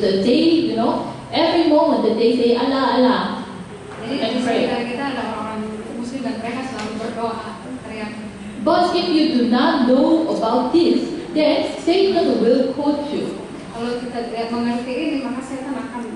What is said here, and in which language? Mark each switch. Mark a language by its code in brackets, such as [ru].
[en] They, you know, every moment that they say Allah, Allah. [id] Jadi kita adalah orang Muslim dan mereka selalu berdoa, teriak. [en] But if you do not know about this, then Satan will quote you. [id] Kalau kita tidak mengerti ini, maka Satan akan.